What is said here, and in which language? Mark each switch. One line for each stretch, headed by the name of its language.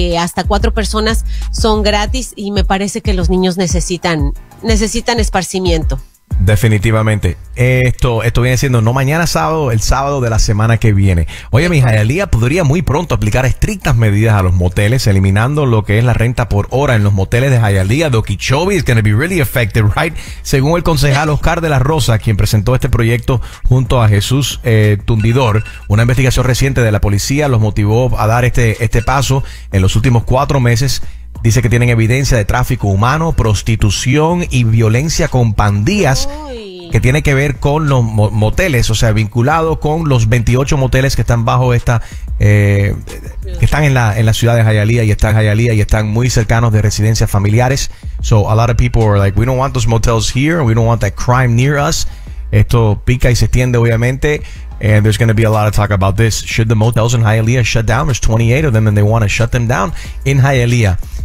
Spanish: Hasta 4 personas son gratis y me parece que los niños necesitan esparcimiento. Definitivamente. Esto viene siendo no mañana sábado, el sábado de la semana que viene. Oye, mi Jayalía podría muy pronto aplicar estrictas medidas a los moteles, eliminando lo que es la renta por hora en los moteles de Jayalía.
English: The Okeechobee is going to be really affected, right?
Spanish: Según el concejal Oscar de la Rosa, quien presentó este proyecto junto a Jesús Tundidor, una investigación reciente de la policía los motivó a dar este paso en los últimos 4 meses. Dice que tienen evidencia de tráfico humano, prostitución y violencia con pandillas. Uy. Que tiene que ver con los moteles, o sea, vinculado con los 28 moteles que están bajo esta, que están en la ciudad de Hialeah, y están Hialeah y están muy cercanos de residencias familiares.
English: So a lot of people are like, we don't want those motels here, we don't want that crime near us.
Spanish: Esto pica y se extiende, obviamente.
English: And there's going to be a lot of talk about this. Should the motels in Hialeah shut down? There's 28 of them and they want to shut them down in Hialeah.